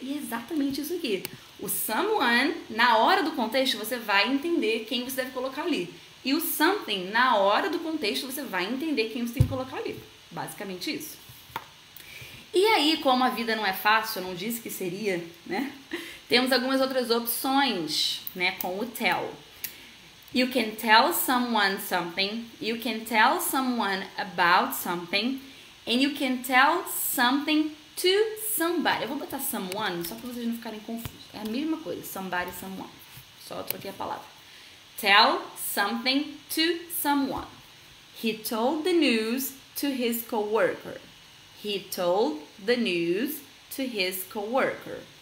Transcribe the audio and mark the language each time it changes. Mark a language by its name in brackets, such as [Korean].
[Portuguese] E é exatamente isso aqui. O someone, na hora do contexto, você vai entender quem você deve colocar ali. E o something, na hora do contexto, você vai entender quem você tem que colocar ali. Basicamente isso. E aí, como a vida não é fácil, eu não disse que seria, né? Temos algumas outras opções, né? Com o tell. [English] You can tell someone something, you can tell someone about something, and you can tell something to somebody. [Portuguese] Eu vou botar someone só para vocês não ficarem confusos. É a mesma coisa, somebody, someone. Só troquei a palavra. [English] Tell something to someone. He told the news to his coworker. He told the news to his coworker.